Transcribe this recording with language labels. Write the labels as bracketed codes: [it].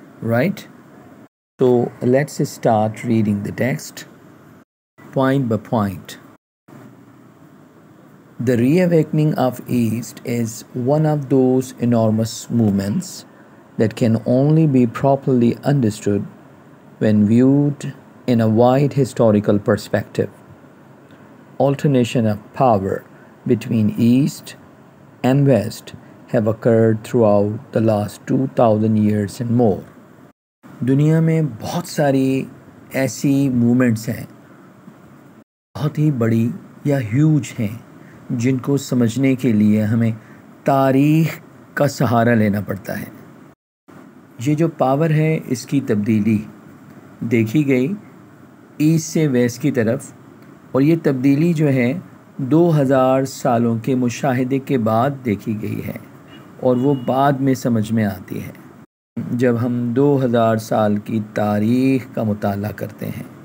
[en] Right, तो let's start reading the text point by point. The reawakening of East is one of those enormous movements that can only be properly understood when viewed in a wide historical perspective. Alternation of power between East and West have occurred throughout the last 2,000 years and more. [ur] دنیا میں بہت ساری ایسی movements ہیں بہت ہی بڑی یا huge ہیں جن کو سمجھنے کے لیے ہمیں تاریخ کا سہارا لینا پڑتا ہے. یہ جو پاور ہے اس کی تبدیلی دیکھی گئی ایسٹ سے ویسٹ کی طرف, اور یہ تبدیلی جو ہے 2000 سالوں کے مشاہدے کے بعد دیکھی گئی ہے, اور وہ بعد میں سمجھ میں آتی ہے جب ہم 2000 سال کی تاریخ کا مطالعہ کرتے ہیں.